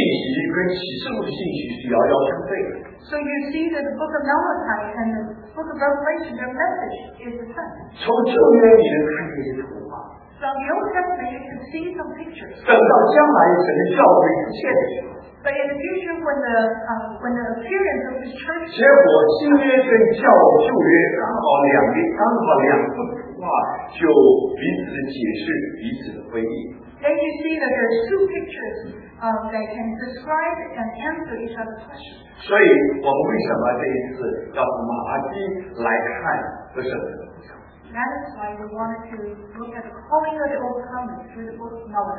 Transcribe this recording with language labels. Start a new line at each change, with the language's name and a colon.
English: heavenly.
Chinese: 所以你看见马拉基的信息跟启示录的信息是遥遥相对的。
English: So you see that the Book of Malachi and the Book of Revelation, their message is the same.
Chinese: 从这边你能看见一幅画。
English: From the Old Testament, you can see some pictures.
Chinese: 等到将来神的教会出现的时候。
English: But in the future, when the appearance of His church.
Chinese: 结果新约跟旧约刚好两幅画，就彼此解释彼此的回应。
English: Then you see that there are two pictures. They can describe and answer each other's questions.
Chinese: 所以我们为什么这一次要马拉基来看的圣灵？
English: That is why we wanted to look at the calling of the Old Covenant through the Book of